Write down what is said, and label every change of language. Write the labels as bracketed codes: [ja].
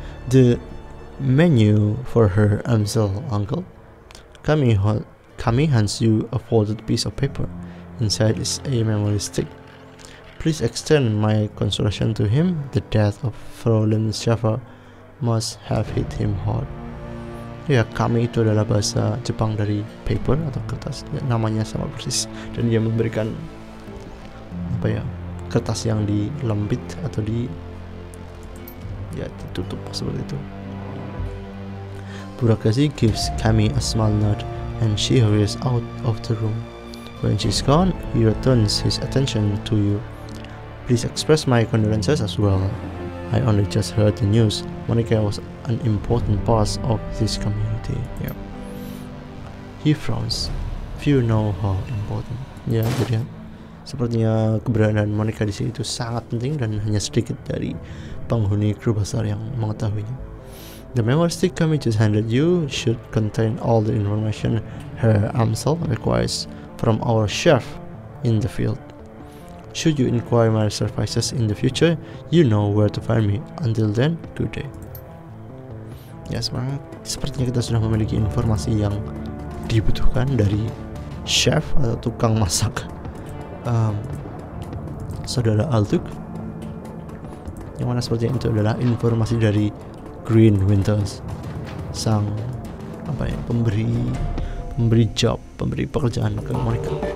[en] The menu for her amsel uncle. Kami hands you a folded piece of paper. Inside is a memory stick. Please extend my consolation to him. The death of Fräulein Schaffer must have hit him hard. [id] Ya, kami itu adalah bahasa Jepang dari paper atau kertas. Ya, namanya sama persis. Dan dia memberikan apa ya, kertas yang dilembit atau di ya ditutup seperti itu. [en] Burakgazi gives Kami a small nod and she hurries out of the room. When she's gone, he returns his attention to you. Please express my condolences as well. I only just heard the news. Monica was an important part of this community. Yeah. He frowns. Few know how important. [id] Ya, jadi sepertinya keberadaan Monica di sini itu sangat penting dan hanya sedikit dari penghuni kru besar yang mengetahuinya. [en] The memory stick Kami just handed you should contain all the information her amsel requires from our chef in the field. Should you inquire my services in the future, you know where to find me. Until then, good day. [id] Ya, semangat. Sepertinya kita sudah memiliki informasi yang dibutuhkan dari chef atau tukang masak saudara Altug. Yang mana sepertinya itu adalah informasi dari Green Winters, sang apa ya, pemberi job, pemberi pekerjaan ke mereka.